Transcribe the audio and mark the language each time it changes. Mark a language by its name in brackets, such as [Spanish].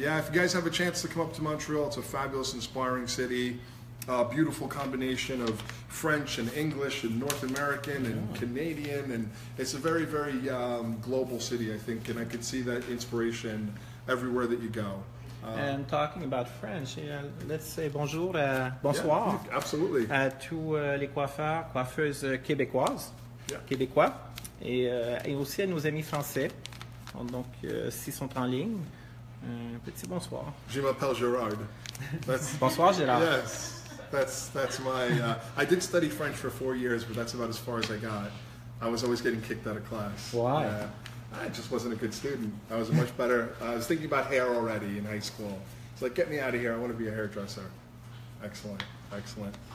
[English] Yeah, if you guys have a chance to come up to Montreal, it's a fabulous, inspiring city. A beautiful combination of French and English and North American and Canadian. And it's a very, very global city, I think. And I could see that inspiration everywhere that you go. And talking about French, let's say [French] bonjour, bonsoir. [English] Yeah, absolutely. [French] À tous les coiffeurs, coiffeuses québécoises, [English] yeah. [French] québécois, et aussi à nos amis français. Donc, s'ils sont en ligne, un petit bonsoir. Je m'appelle Gérard. Bonsoir, Gérard. [English] Yes, that's my... I did study French for 4 years, but that's about as far as I got. I was always getting kicked out of class. Why? I just wasn't a good student. I was much better. I was thinking about hair already in high school. It's like, get me out of here. I want to be a hairdresser. Excellent, excellent.